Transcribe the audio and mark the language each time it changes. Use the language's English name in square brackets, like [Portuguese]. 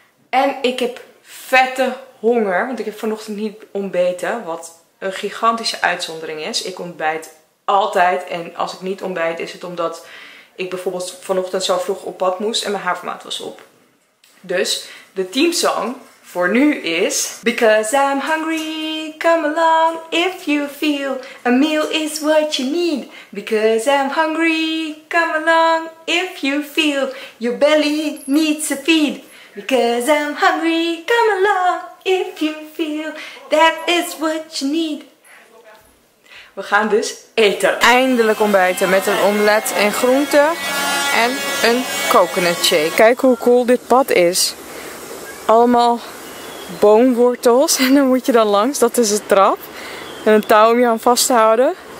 [Dutch] En ik heb vette honger, want ik heb vanochtend niet ontbeten, wat een gigantische uitzondering is. Ik ontbijt altijd en als ik niet ontbijt is het omdat ik bijvoorbeeld vanochtend zo vroeg op pad moest en mijn havermout was op. Dus de teamsong voor nu is... [English] Because I'm hungry, come along if you feel a meal is what you need. Because I'm hungry, come along if you feel your belly needs a feed. Because I'm hungry, come along if you feel that is what you need. [Dutch] We gaan dus eten. Eindelijk ontbijten met een omelet en groenten. En een coconut shake. Kijk hoe cool dit pad is. Allemaal boomwortels. En dan moet je dan langs. Dat is een trap. En een touw om je aan vast te houden.